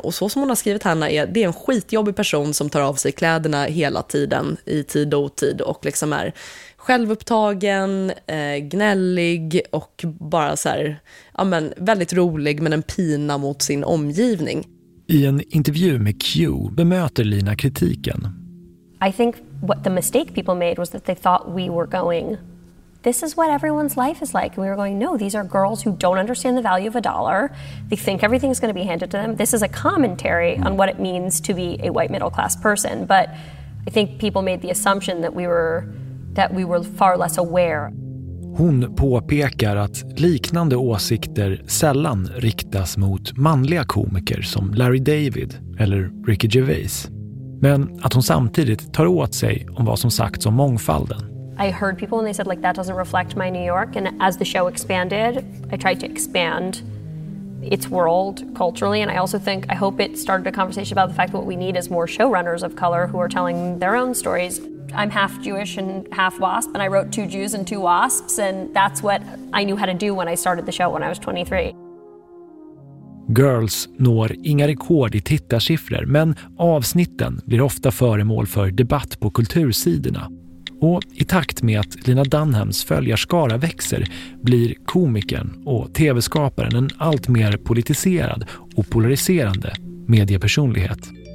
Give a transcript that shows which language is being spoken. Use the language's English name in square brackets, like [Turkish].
[Swedish] Och så som hon har skrivit Hanna är, det är en skitjobbig person som tar av sig kläderna hela tiden i tid och otid och liksom är självupptagen, gnällig och bara så här, ja men väldigt rolig men en pina mot sin omgivning. I en intervju med Q bemöter Lina kritiken. [English] I think what the mistake people made was that they thought we were going, this is what everyone's life is like. And we were going, no, these are girls who don't understand the value of a dollar. They think everything's going to be handed to them. This is a commentary on what it means to be a white middle class person. But I think people made the assumption that we were far less aware. [Swedish] Hon påpekar att liknande åsikter sällan riktas mot manliga komiker som Larry David eller Ricky Gervais. Men att hon samtidigt tar åt sig om vad som sagts om mångfalden. [English] I heard people and they said like that doesn't reflect my New York, and as the show expanded, I tried to expand its world culturally, and I also think I hope it started a conversation about the fact that what we need is more showrunners of color who are telling their own stories. I'm half Jewish and half WASP, and I wrote two Jews and two WASPs, and that's what I knew how to do when I started the show when I was 23. [Swedish] Girls når inga rekord i tittarsiffror, men avsnitten blir ofta föremål för debatt på kultursidorna. Och i takt med att Lena Dunhams följarskara växer blir komikern och tv-skaparen en allt mer politiserad och polariserande mediepersonlighet.